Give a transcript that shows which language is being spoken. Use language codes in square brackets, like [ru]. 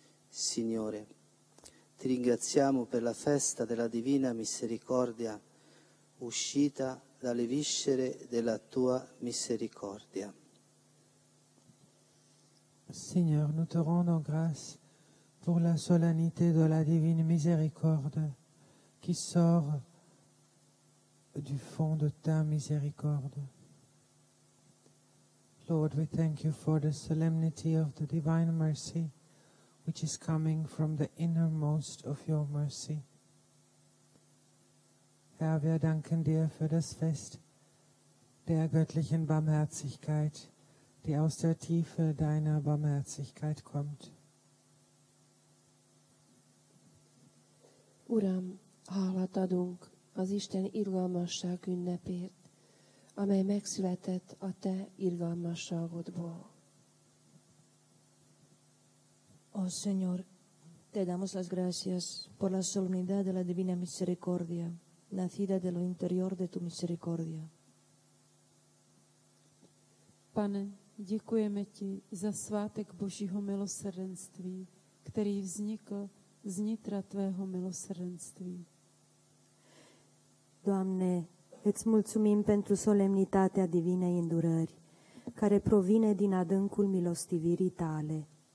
[it] Signore, ti ringraziamo per la festa della Divina Misericordia, uscita dalle viscere della tua misericordia. [fr] Signore, nous te rendons grâce pour la solennité de la divine miséricorde qui sort du fond de ta miséricorde. [en] Lord, we thank you for the solemnity of the divine mercy which is coming from the innermost of your mercy. [de] Herr, wir danken dir für das Fest der göttlichen Barmherzigkeit, die aus der Tiefe deiner Barmherzigkeit kommt. [hu] Uram, hálát adunk az Isten irgalmasság ünnepért, amely megszületett a te irgalmasságodból. [es] Oh, Señor, te damos las gracias por la solemnidad de la Divina Misericordia, nacida de lo interior de tu misericordia. [cs] Pane, děkujeme ti za svátek Božího milosrdenství, který vznikl z nitra tvého milosrdenství. [ro] Doamne, îți mulțumim pentru solemnitatea divinei îndurări, care provine din adâncul milostivirii tale.